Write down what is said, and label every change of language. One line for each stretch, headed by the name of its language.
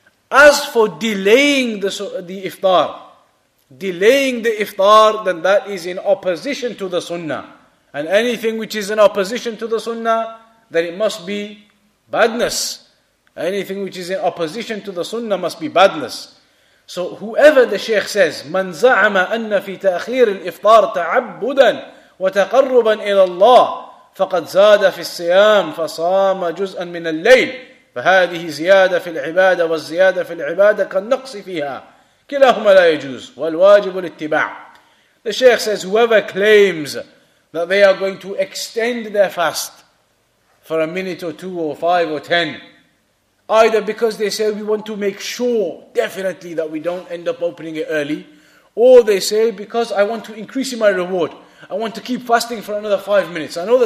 English: As for delaying the iftar, delaying the iftar, then that is in opposition to the sunnah. And anything which is in opposition to the sunnah, then it must be badness. Anything which is in opposition to the sunnah must be badness. So whoever the Shaykh says,
Arabic: من زعم أن في تأخير الإفطار تعبدا وتقربا إلى الله فقد زاد في الصيام فصام جزءا من الليل فهذه زيادة في العبادة والزيادة في العبادة كالنقص فيها كلاهما لا يجوز والواجب الاتباع.
English: The Shaykh says, whoever claims that they are going to extend their fast for a minute or two or five or ten, either because they say we want to make sure definitely that we don't end up opening it early, or they say because I want to increase in my reward, I want to keep fasting for another 5 minutes.